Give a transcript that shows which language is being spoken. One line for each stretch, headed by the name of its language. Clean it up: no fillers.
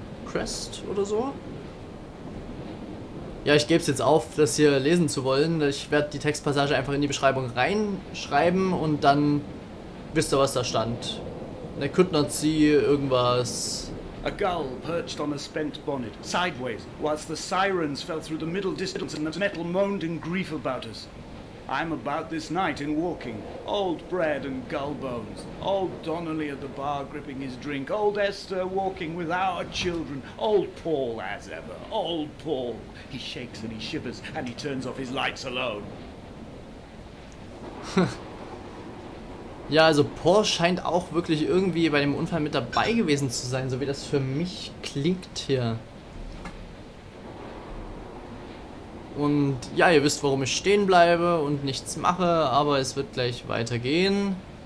German: Crest oder so? Ja, ich gebe es jetzt auf, das hier lesen zu wollen. Ich werde die Textpassage einfach in die Beschreibung reinschreiben und dann wisst ihr, was da stand.
English: I could not see
German: irgendwas.
English: A gull perched on a spent bonnet, sideways, whilst the sirens fell through the middle distance and the metal moaned in grief about us. I'm about this night in walking, old bread and gull bones, old Donnelly at the bar gripping his drink, old Esther walking with our children, old Paul as ever, old Paul. He shakes and he shivers and he turns off his lights alone.
German: Ja, also Paul scheint auch wirklich irgendwie bei dem Unfall mit dabei gewesen zu sein, so wie das für mich klingt hier. Und ja, ihr wisst, warum ich stehen bleibe und nichts mache, aber es wird gleich weitergehen.